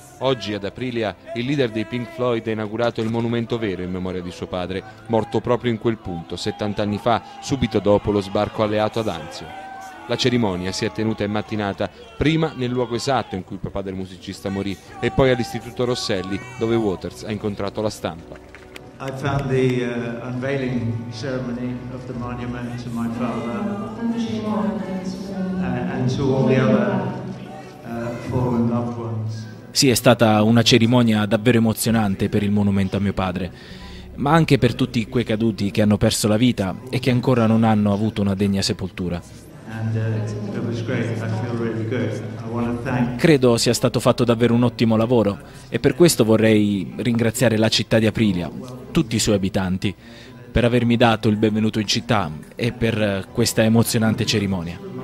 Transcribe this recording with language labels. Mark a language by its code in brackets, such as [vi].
[it] Oggi, ad Aprilia, il leader dei Pink Floyd ha inaugurato il monumento vero in memoria di suo padre, morto proprio in quel punto, 70 anni fa, subito dopo lo sbarco alleato ad Anzio. La cerimonia si è tenuta in mattinata, prima nel luogo esatto in cui il papà del musicista morì e poi all'Istituto Rosselli, dove Waters ha incontrato la stampa. [en] I found the unveiling ceremony of the monument to my father and to all the other fallen loved ones. [it] Sì, è stata una cerimonia davvero emozionante per il monumento a mio padre, ma anche per tutti quei caduti che hanno perso la vita e che ancora non hanno avuto una degna sepoltura. Credo sia stato fatto davvero un ottimo lavoro e per questo vorrei ringraziare la città di Aprilia, tutti i suoi abitanti, per avermi dato il benvenuto in città e per questa emozionante cerimonia.